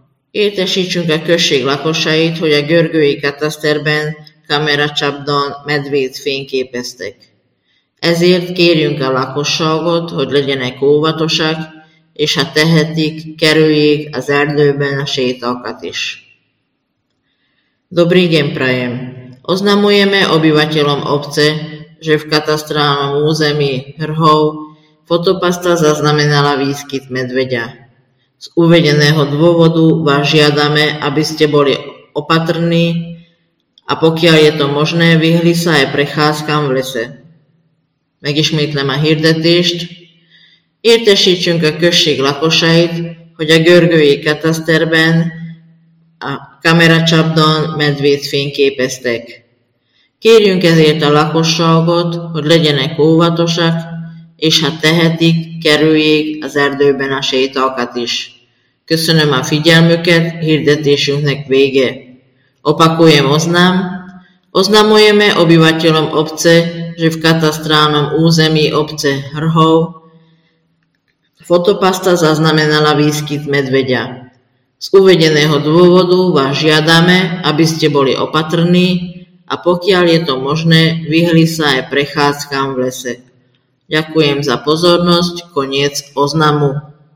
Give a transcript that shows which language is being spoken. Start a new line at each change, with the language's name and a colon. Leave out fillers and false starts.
Hungarian: Értesítsünk a község lakosait, hogy a görgői kataszterben kameracsapdan medvét fényképeztek. Ezért kérjünk a lakosságot, hogy legyenek óvatosak, és ha tehetik, kerüljék az erdőben a sétákat is.
Slovak: Dobrý deň prajem! Oznamujeme obyvateľom obce, že v katastrálnom území Hrhov fotopasta zaznamenala výskyt medveďa. Z uvedeného dôvodu vás žiadame, aby ste boli opatrní a pokiaľ je to možné, vyhli sa aj prechádzkam v lese.
Hungarian: Megismétlem a hirdetést. Értesítsünk a község lakosait, hogy a görgői kataszterben a kameracsapdan medvét fényképeztek. Kérjünk ezért a lakosságot, hogy legyenek óvatosak, és ha tehetik, kerüljék az erdőben a sétákat is. Köszönöm a figyelmüket, hirdetésünknek vége.
Slovak: Opakujem oznám. Oznamujeme obyvateľom obce, že v katastrálnom území obce Hrhov fotopasta zaznamenala výskyt medveďa. Z uvedeného dôvodu vás žiadame, aby ste boli opatrní a pokiaľ je to možné, vyhli sa aj prechádzkam v lese. Ďakujem za pozornosť, koniec oznamu.